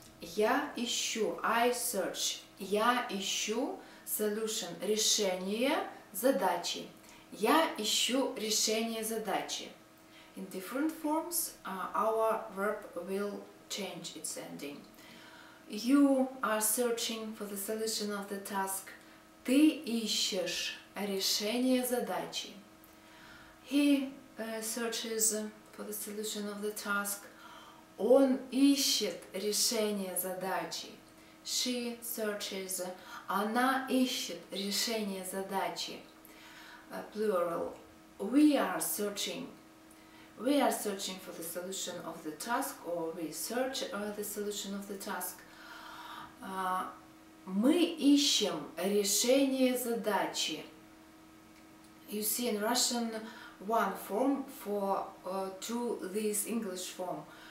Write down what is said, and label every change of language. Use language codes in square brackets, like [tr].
[ru] Я ищу, [en] I search. [ru] Я ищу solution – решение задачи. Я ищу решение задачи. [en] In different forms, our verb will change its ending. You are searching for the solution of the task. [ru] Ты ищешь решение задачи. [en] He searches for the solution of the task. [ru] Он ищет решение задачи. [en] She searches. [ru] Она ищет решение задачи. [en] Plural. We are searching. We are searching for the solution of the task, or we search the solution of the task. [ru] Мы ищем решение задачи. [en] You see in Russian one form for to this English form.